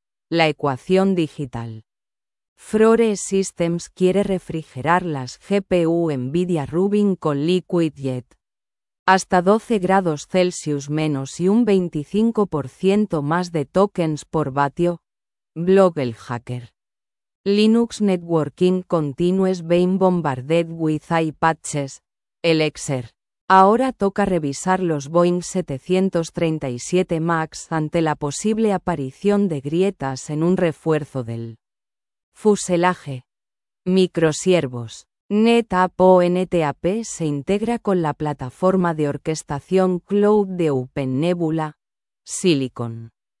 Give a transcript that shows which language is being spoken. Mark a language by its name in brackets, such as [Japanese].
[Spanish] La ecuación digital. Frore Systems quiere refrigerar las GPU Nvidia Rubin con Liquid Jet. Hasta 12 grados Celsius menos y un 25% más de tokens por vatio. Blog El Hacker. [English] Linux Networking Continues Being Bombarded with AI Patches. [Spanish] Elixir. Ahora toca revisar los Boeing 737 MAX ante la posible aparición de grietas en un refuerzo del fuselaje. Microsiervos. NetApp ONTAP se integra con la plataforma de orquestación Cloud de OpenNebula, Silicon.